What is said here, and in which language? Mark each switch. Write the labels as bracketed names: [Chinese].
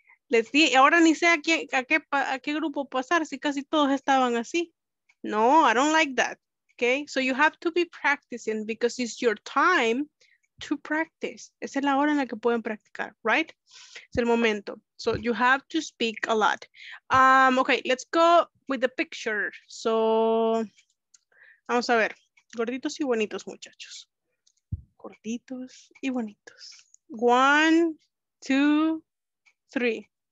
[Spanish] Les di, ahora ni sé a qué grupo pasar, si casi todos estaban así. [English] No, I don't like that. Okay, so you have to be practicing because it's your time to practice. [Spanish] Esa es la hora en la que pueden practicar, right? Es el momento. [English] So you have to speak a lot. Okay, let's go with the picture. [Spanish] So, vamos a ver. Gorditos y bonitos, muchachos. Gorditos y bonitos. [English] One, two, three.